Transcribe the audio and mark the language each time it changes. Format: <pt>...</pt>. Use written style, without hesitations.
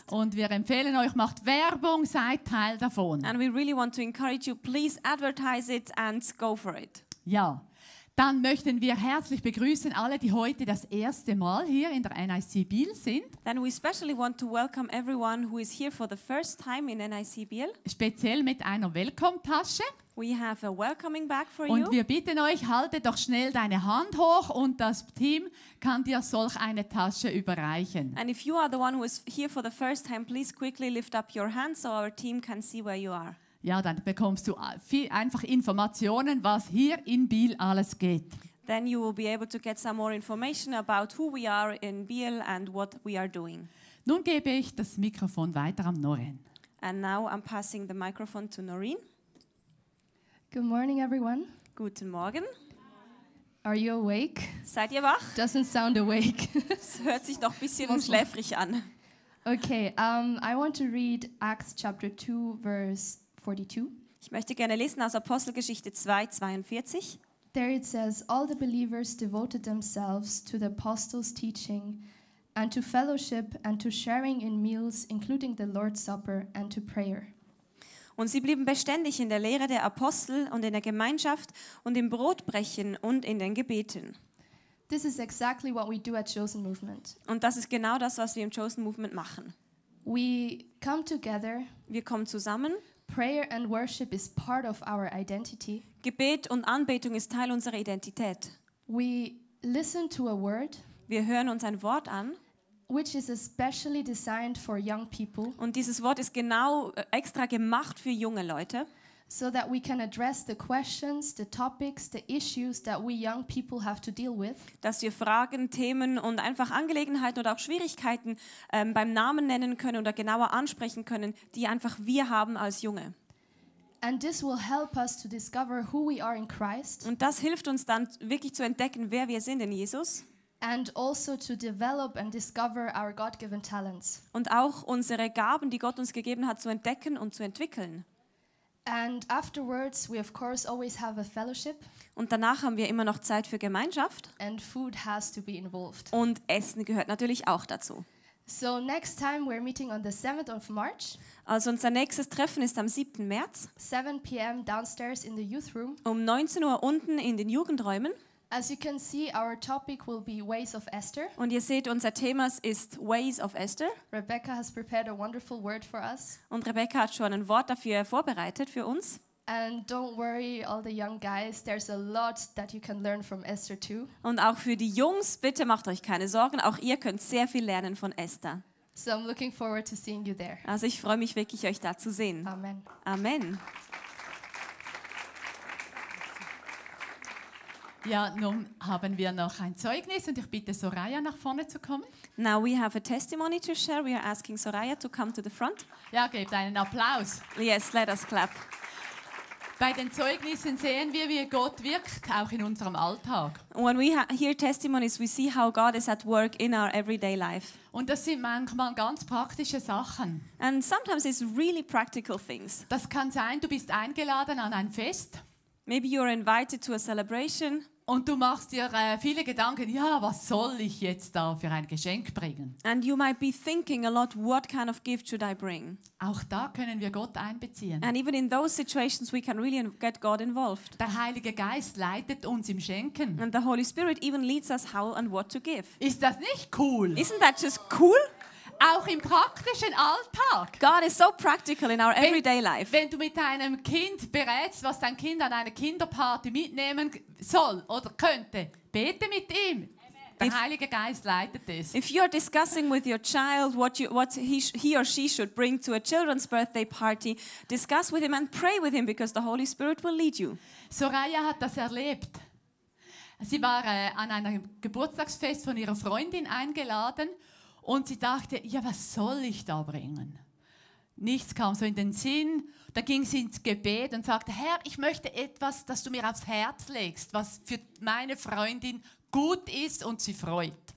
<de>Und wir empfehlen euch, macht Werbung, seid Teil davon.</de> <en>And we really want to encourage you, please advertise it and go for it.</en> <de>Ja. Dann möchten wir herzlich begrüßen alle, die heute das erste Mal hier in der NIC Biel sind.</de> <en>Then we especially want to welcome everyone who is here for the first time in NIC Biel.</en> <de>Speziell mit einer Willkommentasche.</de> <en>We have a welcoming bag for you.</en> <de>Und wir bitten euch, halte doch schnell deine Hand hoch und das Team kann dir solch eine Tasche überreichen.</de> <en>And if you are the one who is here for the first time, please quickly lift up your hand so our team can see where you are.</en> <de>Ja, dann bekommst du viel einfach Informationen, was hier in Biel alles geht.</de> <en>Then you will be able to get some more information about who we are in Biel and what we are doing.</en> <de>Nun gebe ich das Mikrofon weiter an Noreen.</de> <en>And now I'm passing the microphone to Noreen. Good morning, everyone.</en> <de>Guten Morgen.</de> <en>Are you awake?</en> <de>Seid ihr wach?</de> <en>Doesn't sound awake.</en> <de>Es hört sich noch ein bisschen schläfrig an.</de> <en>Okay, I want to read Acts chapter 2, verse 42.</en> <de>Ich möchte gerne lesen aus Apostelgeschichte 2, 42.</de> <en>There it says, all the believers devoted themselves to the apostles' teaching and to fellowship and to sharing in meals, including the Lord's Supper and to prayer.</en> <de>Und sie blieben beständig in der Lehre der Apostel und in der Gemeinschaft und im Brotbrechen und in den Gebeten.</de> <en>This is exactly what we do at Chosen Movement.</en> <de>Und das ist genau das, was wir im Chosen Movement machen.</de> <en>We come together.</en> <de>Wir kommen zusammen.</de> <en>Prayer and worship is part of our identity.</en> <de>Gebet und Anbetung ist Teil unserer Identität.</de> <en>We listen to a word.</en> <de>Wir hören uns ein Wort an.</de> <en>Which is especially designed for young people.</en> <de>Und dieses Wort ist genau extra gemacht für junge Leute.</de> <en>So that we can address the questions, the topics, the issues that we young people have to deal with.</en> <de>Dass wir Fragen, Themen und einfach Angelegenheiten oder auch Schwierigkeiten beim Namen nennen können oder genauer ansprechen können, die einfach wir haben als Junge.</de> <en>And this will help us to discover who we are in Christ.</en> <de>Und das hilft uns dann wirklich zu entdecken, wer wir sind in Jesus.</de> <en>And also to develop and discover our God-given talents.</en> <de>Und auch unsere Gaben, die Gott uns gegeben hat, zu entdecken und zu entwickeln.</de> <en>And afterwards we of course always have a fellowship.</en> <de>Und danach haben wir immer noch Zeit für Gemeinschaft.</de> <en>And food has to be involved.</en> <de>Und Essen gehört natürlich auch dazu.</de> <en>So next time we're meeting on the 7th of March.</en> <de>Also unser nächstes Treffen ist am 7. März.</de> <en>7 p.m. downstairs in the youth room.</en> <de>Um 19 Uhr unten in den Jugendräumen.</de> <en>As you can see, our topic will be Ways of Esther.</en> <de>Und ihr seht, unser Thema ist Ways of Esther.</de> <en>Rebecca has prepared a wonderful word for us.</en> <de>Und Rebecca hat schon ein Wort dafür vorbereitet für uns.</de> <en>And don't worry, all the young guys, there's a lot that you can learn from Esther too.</en> <de>Und auch für die Jungs, bitte macht euch keine Sorgen, auch ihr könnt sehr viel lernen von Esther.</de> <en>So I'm looking forward to seeing you there.</en> <de>Also ich freue mich wirklich, euch da zu sehen.</de> <en>Amen.</en> <de>Amen. Ja, nun haben wir noch ein Zeugnis und ich bitte Soraya nach vorne zu kommen.</de> <en>Now we have a testimony to share. We are asking Soraya to come to the front.</en> <de>Ja, gebt einen Applaus.</de> <en>Yes, let us clap.</en> <de>Bei den Zeugnissen sehen wir, wie Gott wirkt, auch in unserem Alltag.</de> <en>When we hear testimonies, we see how God is at work in our everyday life.</en> <de>Und das sind manchmal ganz praktische Sachen.</de> <en>And sometimes it's really practical things.</en> <de>Das kann sein, du bist eingeladen an ein Fest.</de> <en>Maybe you're invited to a celebration.</en> <de>Und du machst dir viele Gedanken, ja, was soll ich jetzt da für ein Geschenk bringen?</de> <en>And you might be thinking a lot, what kind of gift should I bring?</en> <de>Auch da können wir Gott einbeziehen.</de> <en>And even in those situations we can really get God involved.</en> <de>Der Heilige Geist leitet uns im Schenken.</de> <en>And the Holy Spirit even leads us how and what to give.</en> <de>Ist das nicht cool?</de> <en>Isn't that just cool?</en> <de>Auch im praktischen Alltag.</de> <en>God is so practical in our everyday life.</en> <de>Wenn du mit deinem Kind berätst, was dein Kind an einer Kinderparty mitnehmen soll oder könnte, bete mit ihm. Amen. Der Heilige Geist leitet es.</de> <en>If you are discussing with your child what he or she should bring to a children's birthday party, discuss with him and pray with him because the Holy Spirit will lead you.</en> <de>Soraya hat das erlebt. Sie war an einem Geburtstagsfest von ihrer Freundin eingeladen. Und sie dachte, ja, was soll ich da bringen? Nichts kam so in den Sinn. Da ging sie ins Gebet und sagte, Herr, ich möchte etwas, das du mir aufs Herz legst, was für meine Freundin gut ist und sie freut.</de>